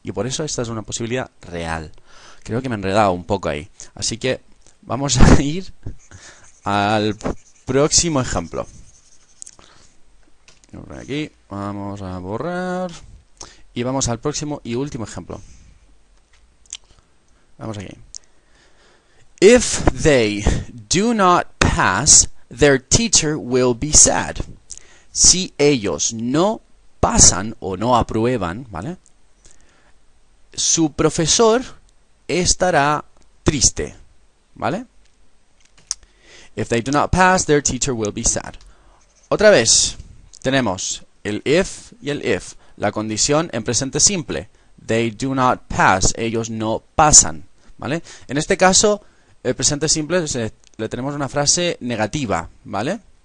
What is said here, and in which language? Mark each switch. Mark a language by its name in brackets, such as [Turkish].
[Spanish] Y por eso esta es una posibilidad real. Creo que me he enredado un poco ahí. Así que vamos a ir al próximo ejemplo. Aquí vamos a borrar y vamos al próximo y último ejemplo. Vamos aquí. [English] If they do not pass, their teacher will be sad. [Spanish] Si ellos no pasan o no aprueban, ¿vale? Su profesor estará triste, ¿vale? [English] If they do not pass, their teacher will be sad. [Spanish] Otra vez, tenemos el if y el if. La condición en presente simple. [English] They do not pass. [Spanish] Ellos no pasan, ¿vale? En este caso, el presente simple, le tenemos una frase negativa, ¿vale?